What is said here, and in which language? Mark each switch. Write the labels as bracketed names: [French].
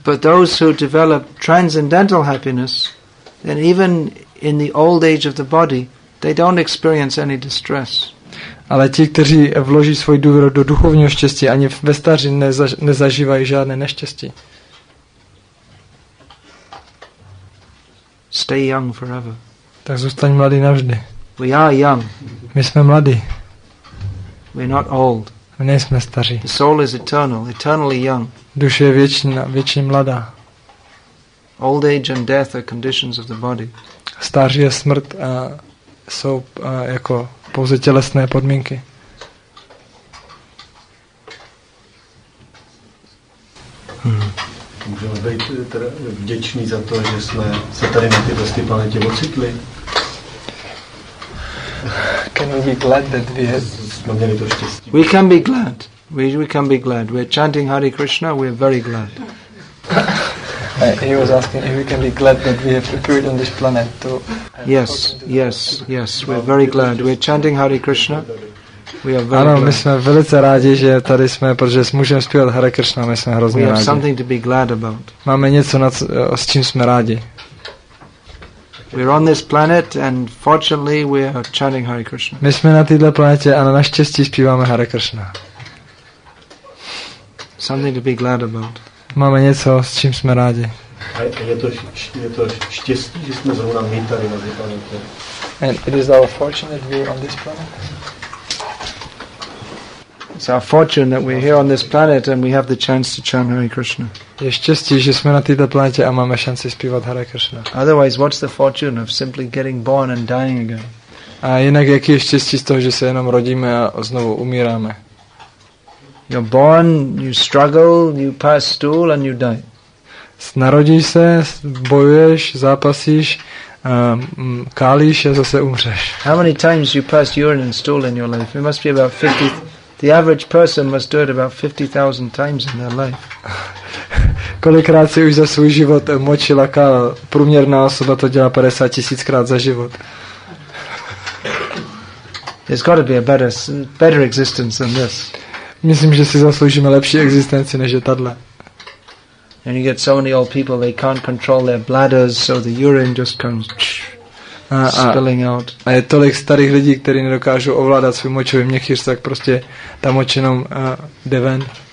[English] But those who develop transcendental happiness, then even in the old age of the body, they don't experience any distress. [Czech] Ale ti, kteří vloží svoji důvěru do duchovního štěstí, ani ve staří nezažívají žádné neštěstí. [English] Stay young forever. [Czech] Tak zůstaň mladý navždy. [English] We are young. [Czech] My jsme mladí. [English] We're not old. [Czech] My nejsme staří. [English] The soul is eternal, eternally young. [Czech] Duše je věčná, věčně mladá. [English] Old age and death are conditions of the body. [Czech] Stáří a smrt jsou jako pouze tělesné podmínky. Můžeme být vděční za to, že jsme se tady na této planetě ocitli. [English] Can we be glad that we have... [Czech] to štěstí. [English] We can be glad. We can be glad. We're chanting Hare Krishna, we're very glad. He was asking if we can be glad that we have appeared on this planet to... Yes, yes, yes. We're very glad. We're chanting Hare Krishna. We are very [Czech] ano, [English] glad. [Czech] My jsme velice rádi, že tady jsme, protože můžeme zpívat Hare Krishna, my jsme hrozně [English] we [Czech] rádi. [English] We have something to be glad about. [Czech] Máme něco, s čím jsme rádi. [English] We're on this planet and fortunately we are chanting Hare Krishna. [Czech] My jsme na této planetě a na naštěstí zpíváme Hare Krishna. [English] Something to be glad about. [Czech] Máme něco, s čím jsme rádi. Je to štěstí, že jsme zrovna my tady na této planetě. [English] And it is our fortune that we are on this planet. It's our fortune that we're here on this planet and we have the chance to chant Hare Krishna. [Czech] Je štěstí, že jsme na této planetě a máme šanci zpívat Hare Krishna. [English] Otherwise, what's the fortune of simply getting born and dying again? [Czech] A jinak jaký je štěstí z toho, že se jenom rodíme a znovu umíráme? [English] You're born, you struggle, you pass stool and you die. [Czech] Narodíš se, bojuješ, zápasíš, kálíš a zase umřeš. [English] How many times you pass urine and stool in your life? It must be about 50... The average person must do it about 50,000 times in their life. [Czech] Kolikrát si už za svůj život močil a kál? Průměrná osoba to dělá 50,000krát za život. [English] There's got to be a better existence than this. [Czech] Myslím, že si zasloužíme lepší existenci než je tato. [English] And you get so many old people, they can't control their bladders, so the urine just comes spilling out. [Czech] A je tolik starých lidí, kteří nedokážou ovládat svůj močový měchýř, tak prostě ta moč jenom jde ven.